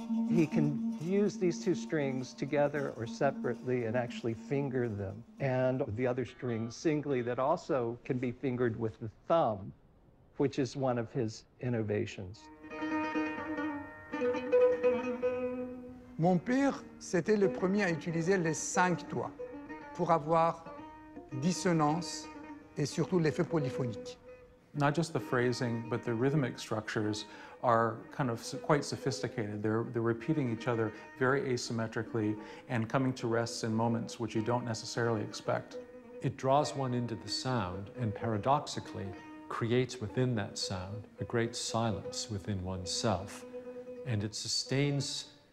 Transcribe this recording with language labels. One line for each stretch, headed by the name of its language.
English: He can use these two strings together or separately and actually finger them, and the other string singly that also can be fingered with the thumb, which is one of his innovations.
French: Mon père, c'était le premier à utiliser les cinq doigts pour avoir dissonance et surtout l'effet polyphonique.
English: Not just the phrasing, but the rhythmic structures are kind of quite sophisticated. They're repeating each other very asymmetrically and coming to rests in moments which you don't necessarily expect. It draws one into the sound and paradoxically creates within that sound a great silence within oneself. And it sustains